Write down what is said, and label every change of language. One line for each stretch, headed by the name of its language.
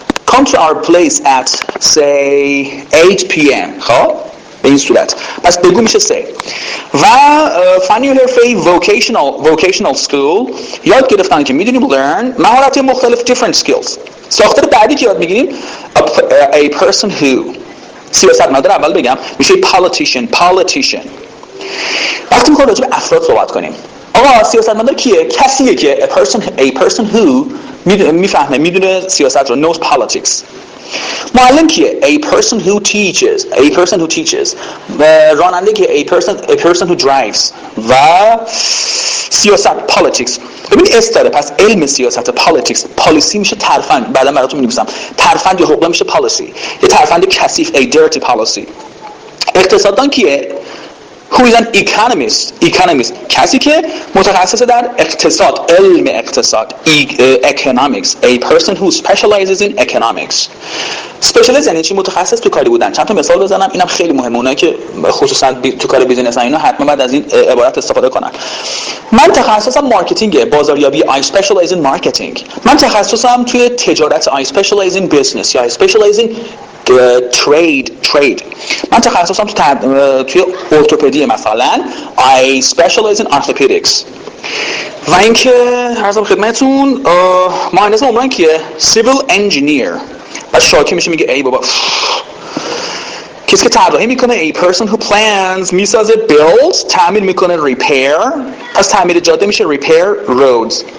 English: Come to our place at say 8 p.m.
Persian: خب به این صورت پس بگو میشه سه. و فنی حرفه ای
English: vocational school
Persian: یاد گرفتن که میدونیم learn مهارت مختلف
English: different skills.
Persian: ساختار بعدی که یاد میگیریم
English: a person who
Persian: سیاست مدار اول بگم میشه politician. وقتی میخوام راجع به افراد صحبت کنیم، آقا سیاست مدار کیه؟ کسیه که
English: a person who
Persian: میفهمه، میدونه سیاست رو،
English: knows politics.
Persian: معلم کیه؟
English: a person who teaches.
Persian: راننده کیه؟
English: a person who drives.
Persian: و سیاست politics. ببین استاره، پس علم سیاست politics. پالیسی میشه ترفند، بعدا براتون میگم. ترفند یا حقوق میشه پالیسی، یه ترفند کثیف،
English: a dirty policy.
Persian: اقتصاددان کیه؟
English: Who is an economist.
Persian: کسی که متخصص در اقتصاد، علم اقتصاد، economics.
English: A person who specializes in economics.
Persian: Specialize یعنی چی؟ متخصص تو کاری بودن. چند تا مثال بزنم، اینم خیلی مهمه. اونایی که خصوصا تو کار بیزینس هستن اینا حتما بعد از این عبارت استفاده کنن. من تخصصم مارکتینگه، بازاریابی.
English: I specialize in marketing.
Persian: من تخصصم توی تجارت.
English: I specialize in business. I specialize in trade.
Persian: من تخصصم توی ارتوپدی مثلا.
English: I specialize in orthopedics.
Persian: و اینکه عرضم خدمتون مهندس عمران کیه؟
English: civil engineer.
Persian: بعد شاکی میشه میگه ای بابا کسی که طراحی میکنه.
English: a person who plans.
Persian: میسازه، builds، تعمیر میکنه، repair. پس تعمیر جاده میشه
English: repair roads.